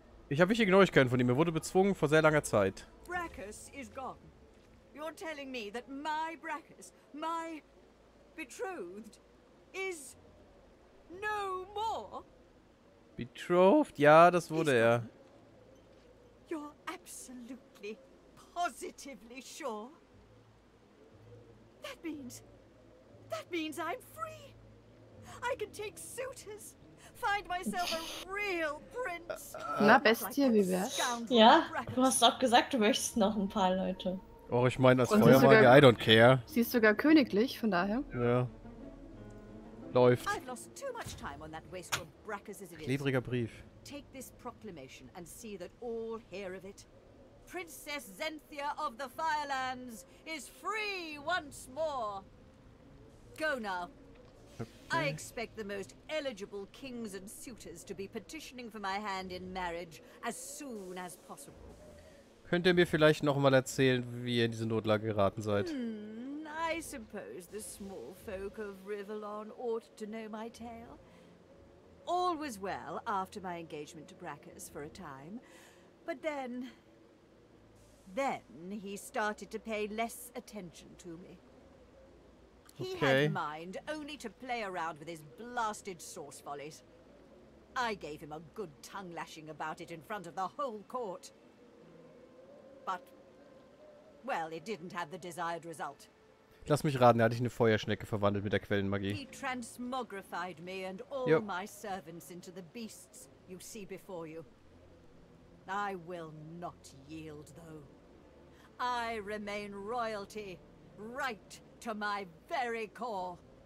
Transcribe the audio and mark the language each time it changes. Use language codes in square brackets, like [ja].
[de] Ich habe wichtige Neuigkeiten von ihm. Er wurde bezwungen vor sehr langer Zeit. [en] Bracchus is gone. You're telling me that my Bracchus, my betrothed, is no more. [de] Betrothed? Ja, das wurde er. [en] You're absolutely, positively sure. That means I'm free. I can take suitors. Find myself a real prince. [de] Na, Bestie, wie wär's? Ja, du hast doch gesagt, du möchtest noch ein paar Leute. Oh, ich meine, als Feuermagier, [en] I don't care. [de] Sie ist sogar königlich, von daher. Ja. Läuft. Klebriger Brief. [en] Take this proclamation and see that all hear of it. Princess Xenthia of the Firelands is free once more. Go now. Okay. I expect the most eligible kings and suitors to be petitioning for my hand in marriage as soon as possible. [de] Könnt ihr mir vielleicht noch mal erzählen, wie ihr in diese Notlage geraten seid? [en] I suppose the small folk of Rivalon ought to know my tale. All was well after my engagement to Brakkus for a time. But then... Then he started to pay less attention to me. He had in mind only to play around with his blasted sauce follies. I gave him a good tongue-lashing about it in front of the whole court. But, well, it didn't have the desired result. [de] Lass mich raten, er hat dich in eine Feuerschnecke verwandelt mit der Quellenmagie. [en] He transmogrified me and all yep. my servants into the beasts you see before you. I will not yield, though. I remain royalty, right to my very core.